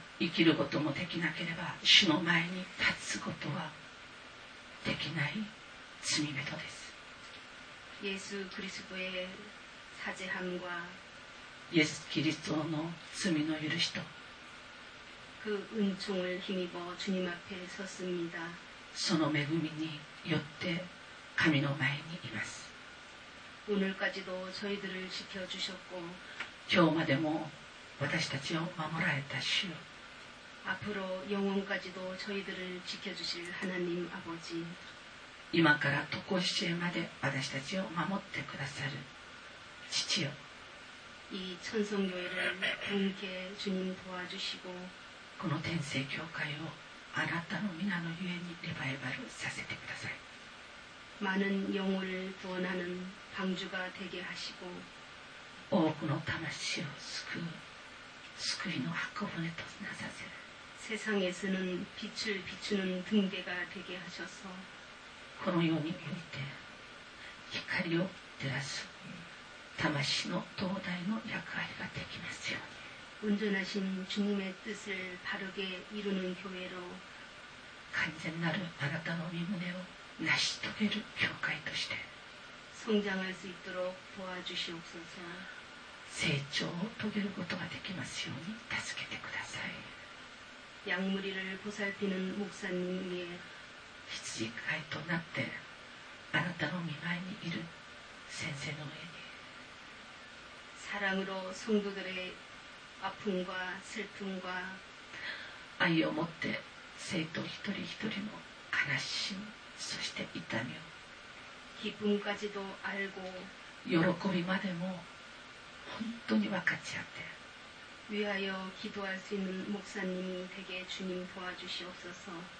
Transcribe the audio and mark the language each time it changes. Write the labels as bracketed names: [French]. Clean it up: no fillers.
[Japanese] 生きることもできなければ主の前に立つことはできない罪人です。 [Korean] 예수그리스도의사죄함과 예수그리스도의죄의용서と 그은총을힘입어주님앞에섰습니다。 [Japanese] その恵みによって神の前にいます。 [Korean] 오늘까지도저희들을지켜주셨고 [Japanese] 今日までも私たちを守られた主、 [Korean] 앞으로영원까지도저희들을지켜주실하나님아버지、 [Japanese] 今から常しえまで私たちを守ってくださる父よ、 [Korean] 이천성교회를함께주님도와주시고 [Japanese] この天聖教会をあなたの皆のゆえにリバイバルさせてください。 [Korean] 많은영혼을구원하는방주가되게하시고 [Japanese] 多くの魂を救う救いの箱舟となさせる。 [Korean] 세상에서는빛을비추는등대가되게하셔서 [Japanese] この世に見て光を照らす魂の灯台の役割ができますように、 [Korean] 온전하신주님의뜻을바르게이루는교회로、 [Japanese] 完全なるあなたの御旨を成し遂げる教会として [Korean] 성장할수있도록도와주시옵소서、 [Japanese] 成長を遂げることができますように助けてください。 [Korean] 양무리를보살피는목사님위해 [Japanese] 羊飼いとなってあなたの御前にいる先生の上に、 [Korean] 사랑으로성도들의아픔과슬픔과 [Japanese] 愛を持って生徒一人一人の悲しみそして痛みを、 [Korean] 기쁨까지도알고 [Japanese] 喜びまでも本当に分かち合って、 [Korean] 위하여기도할수있는목사님이되게주님도와주시옵소서、